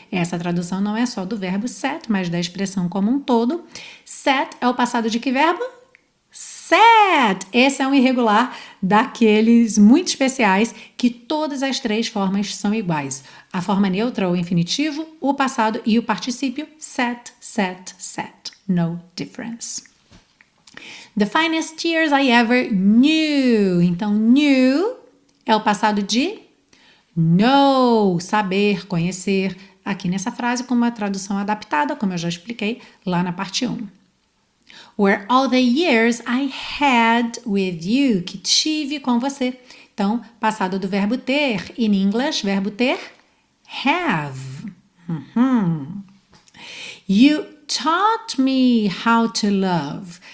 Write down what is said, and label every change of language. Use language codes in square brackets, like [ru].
[pt] Essa tradução não é só do verbo set, mas da expressão como um todo. Set é o passado de que verbo? Set! Esse é um irregular daqueles muito especiais que todas as três formas são iguais. A forma neutra, o infinitivo, o passado e o particípio. [en] Set, set, set. No difference. The finest years I ever knew. [pt] Então, knew é o passado de know, saber, conhecer. Aqui nessa frase, com uma tradução adaptada, como eu já expliquei lá na parte 1. [en] Were all the years I had with you, [pt] que tive com você. Então, passado do verbo ter, [en] in English, [pt] verbo ter, have. [en] You taught me how to love.